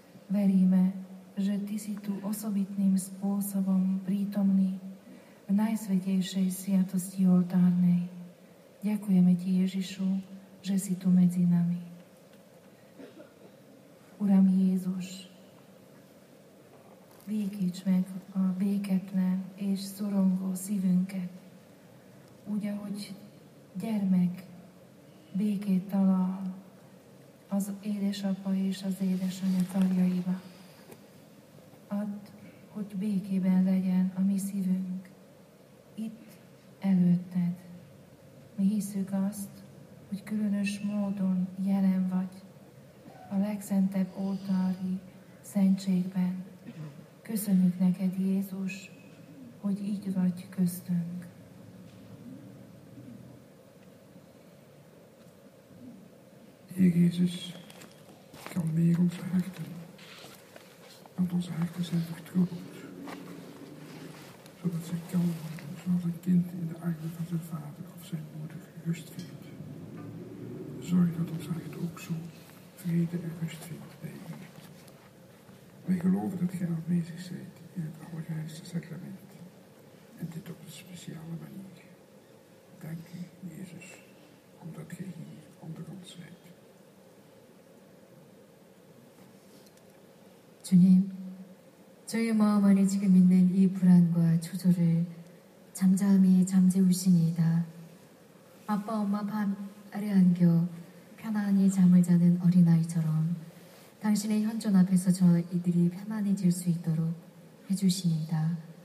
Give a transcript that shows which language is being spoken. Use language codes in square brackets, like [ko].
[sk] Veríme, že Ty si tu osobitným spôsobom prítomný v najsvätejšej sviatosti oltárnej. Ďakujeme Ti, Ježišu, že si tu medzi nami. [hu] Uram Jézus, vékíts meg a béketne és szorongó szívünket, úgy, ahogy gyermek békét talál, az édesapa és az édesanya karjaiba. Add, hogy békében legyen a mi szívünk, itt előtted. Mi hiszük azt, hogy különös módon jelen vagy a legszentebb oltári szentségben. Köszönjük neked, Jézus, hogy így vagy köztünk. [nl] Jézus, kan meer ons harten, want onze harten zijn vertroebeld, zodat zij kan worden zoals een kind in de armen van zijn vader of zijn moeder rust vindt. Zorg dat ons hart ook zo vrede en rust vindt bij u. Wij geloven dat gij aanwezig bent in het Allerheiligste Sacrament en dit op een speciale manier. Dank u, Jezus, omdat gij hier onder ons bent. [ko] 주님, 저희 마음 안에 지금 있는 이 불안과 초조를 잠잠히 잠재우시니이다. 아빠, 엄마 밤 아래 안겨 편안히 잠을 자는 어린아이처럼 당신의 현존 앞에서 저희들이 편안해질 수 있도록 해주시니이다.